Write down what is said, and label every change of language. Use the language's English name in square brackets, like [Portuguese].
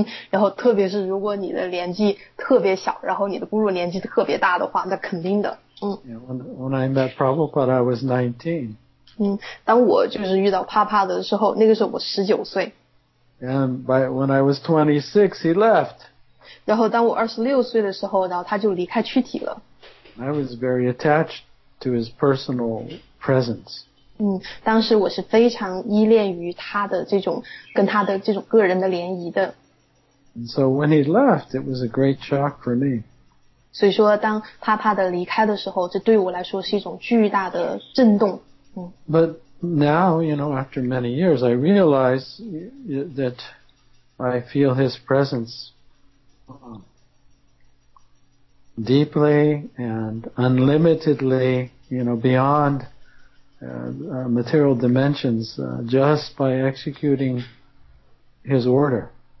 [Chinese] 然后特别是如果你的年纪特别小，然后你的 Guru 年纪特别大的话，那肯定的。 [English] When I met Prabhupada, I was 19. [Chinese] 当我就是遇到帕帕的时候，那个时候我19岁。 [English] And when I was 26, he left. [Chinese] 然后当我26岁的时候，然后他就离开躯体了。 [English] I was very attached to his personal presence. [Chinese] 当时我是非常依恋于他的这种跟他的这种个人的联谊的。 [English] And so when he left, it was a great shock for me. [Chinese] 所以说当帕帕的离开的时候，这对我来说是一种巨大的震动。 [English] But now, you know, after many years, I realize that I feel his presence deeply and unlimitedly, you know, beyond material dimensions, just by executing his order.